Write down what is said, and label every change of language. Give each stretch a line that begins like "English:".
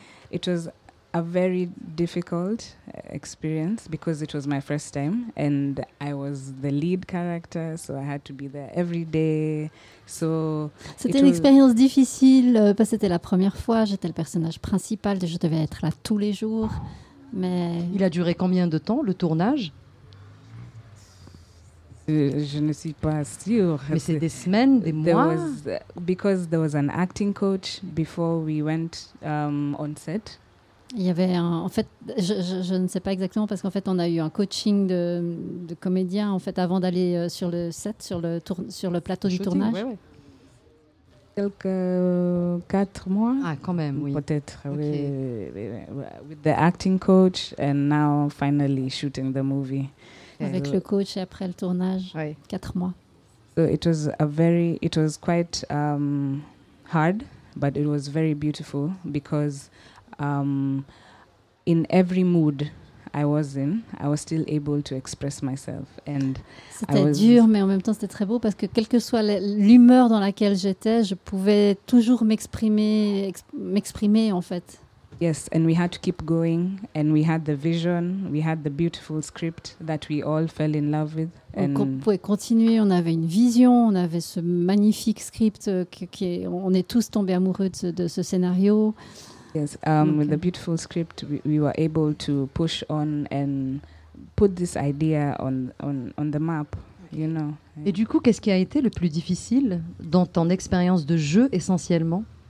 English: It was a very difficult experience because it was my first time and I was the lead character, so I had to be there every day. So
French: c'était une expérience difficile parce que c'était la première fois, j'étais le personnage principal, je devais être là tous les jours. Mais il a duré combien de temps le tournage? Je ne suis pas sûre. Mais c'est des semaines, des mois.
English: Because there was an acting coach before we went on set.
French: Il y avait un, en fait, je ne sais pas exactement, parce qu'en fait, on a eu un coaching de comédien en fait avant d'aller sur le set, sur le plateau du tournage. Ouais, ouais. Quelques 4 mois. Ah, quand même, oui. Peut-être, okay. Oui.
English: With the acting coach and now finally shooting the movie.
French: Avec le coach et après le tournage, oui. 4 mois.
English: So it was quite hard, but it was very beautiful because in every mood I was in, I was still able to express myself. And
French: c'était dur, mais en même temps, c'était très beau parce que quelle que soit l'humeur dans laquelle j'étais, je pouvais toujours m'exprimer en fait.
English: Yes, and we had to keep going, and we had the vision, we had the beautiful script that we all fell in love with. And
French: on pouvait continuer, on avait une vision, on avait ce magnifique script, on est tous tombés amoureux de ce scénario. Yes, okay.
English: With a beautiful script, we were able to push on and put this idea on the map, you know.
French: Et du coup, qu'est-ce qui a été le plus difficile dans ton expérience de jeu essentiellement?